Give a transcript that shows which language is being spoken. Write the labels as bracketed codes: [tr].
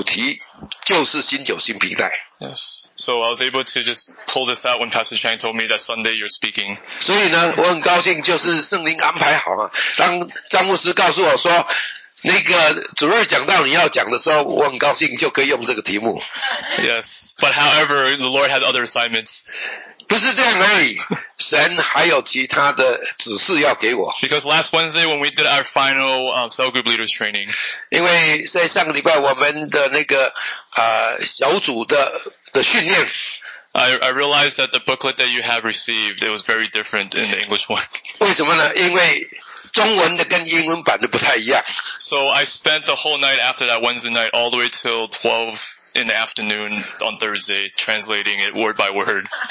[zh] 我后来才知道为什么圣灵叫我把那一段要讲的圣经留到现在，因为后来我们决定，我们这一次灵修会的主题就是新酒新皮带。Yes, [en] so I was able to just pull this out when Pastor Chang told me that Sunday you're speaking. [zh] 所以呢，我很高兴，就是圣灵安排好啊，当张牧师告诉我说。那个主任讲到你要讲的时候，我很高兴就可以用这个题目。Yes, [en] but however, the Lord had other assignments. [zh] 不是这样而已，神还有其他的指示要给我。Because [en] last Wednesday when we did our final cell group leaders training. [zh] 因为在上个礼拜我们的那个小组的训练。 [en] I realized that the booklet that you have received, it was very different in the English one. [zh] 为什么呢？因为中文的跟英文版的不太一样。 [en] So I spent the whole night after that Wednesday night all the way till 12 in the afternoon on Thursday translating it word by word.